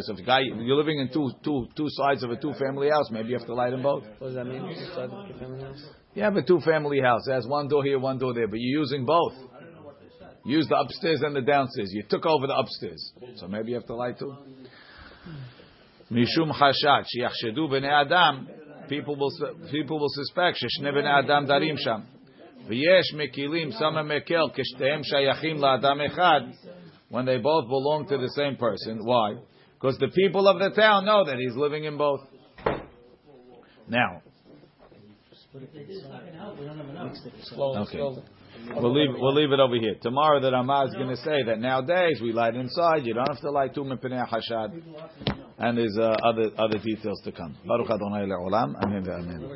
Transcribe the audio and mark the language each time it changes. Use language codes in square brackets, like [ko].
[en] So if guy, you're living in two sides of a two family house, maybe you have to light them both. What does that mean? Two sides of a family house. You have a two family house. It has one door here, one door there, but you're using both. Use the upstairs and the downstairs. You took over the upstairs, so maybe you have to light two. [he] Mishum hashad sheyachshedu b'nei adam. [en] People will suspect [he] ששני בני אדם דרים שם. ויש מקילים, [en] some [he] מקל, כשתיהם שייכים לאדם אחד, [en] when they both belong to the same person. Why? Because the people of the town know that he's living in both. Now. Okay. We'll leave it over here. Tomorrow the Ramah is going to say that nowadays we light inside. You don't have to light two [he] mepnei hashad. [en] And there's other details to come. [he] Baruch Adonai le'olam. Amen ve'amen.